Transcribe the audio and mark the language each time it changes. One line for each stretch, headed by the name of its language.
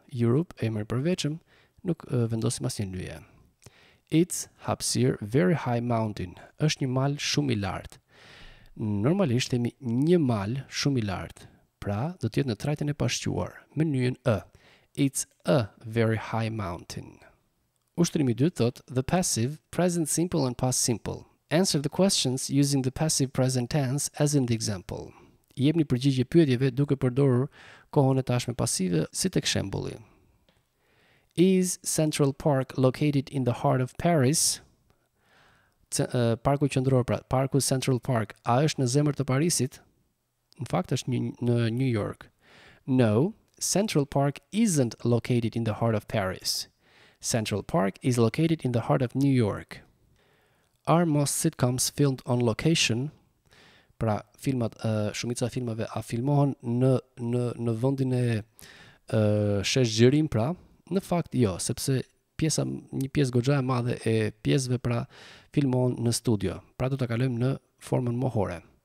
Albanian: Europe, emër përveçëm, nuk vendosim asnjë nyje.
English: It's hapësir very high mountain.
Albanian: Është një mal shumë i lartë. Normalisht themi një mal shumë i lartë. Pra, do të jetë në trajtën e pashquar me nyjen a.
English: It's a very high mountain.
Albanian: Ushtrimi 2 thot
English: the passive present simple and past simple. Answer the questions using the passive present tense as in the example.
Albanian: Jepni përgjigje pyetjeve duke përdorur kohën e tashme pasive si tek shembulli.
English: Is Central Park located in the heart of Paris?
Albanian: Parku qendror, pra, parku Central Park, a është në zemër të Parisit? Në fakt është në New York.
English: No, Central Park isn't located in the heart of Paris. Central Park is located in the heart of New York. Are most sitcoms filmed on location?
Albanian: Pra filmat, shumica e filmave a filmohen në vendin e shesh gjërim, pra, në fakt jo, sepse pjesa, një pjesë goxha e madhe e pjesëve pra filmohen në studio. Pra do të kalojmë në formën mohore.